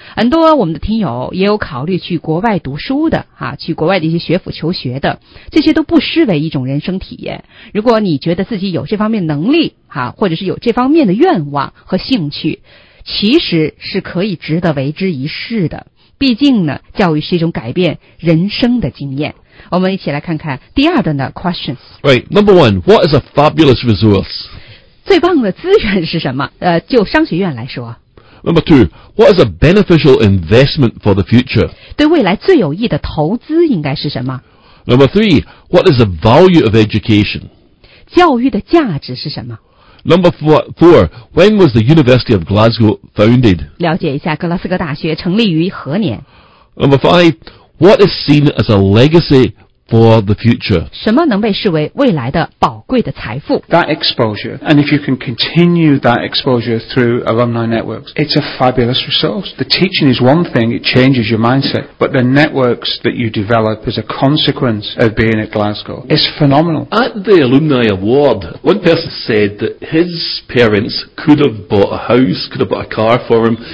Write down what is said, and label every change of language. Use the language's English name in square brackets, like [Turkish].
[Chinese] 很多我们的听友也有考虑去国外读书的啊，去国外的一些学府求学的，这些都不失为一种人生体验。如果你觉得自己有这方面能力啊，或者是有这方面的愿望和兴趣，其实是可以值得为之一试的。毕竟呢，教育是一种改变人生的经验。我们一起来看看第二段的 questions. [English] Right, number one, what is a fabulous resource? [Chinese] 最棒的资源是什么？就商学院来说。 [English] Number two, what is a beneficial investment for the future? [Chinese] 对未来最有益的投资应该是什么 [English] ？Number three, what is the value of education? [Chinese] 教育的价值是什么？ [English] Number four, when was the University of Glasgow founded? [Chinese] 了解一下格拉斯哥大学成立于何年。 [English] Number five, what is seen as a legacy for the future? [Chinese] 什么能被视为未来的宝贵的财富？ [English] That exposure, and if you can continue that exposure through alumni networks, it's a fabulous resource. The teaching is one thing, it changes your mindset, but the networks that you develop as a consequence of being at Glasgow is phenomenal. At the alumni award, one person said that his parents could have bought a house, could have bought a car for him.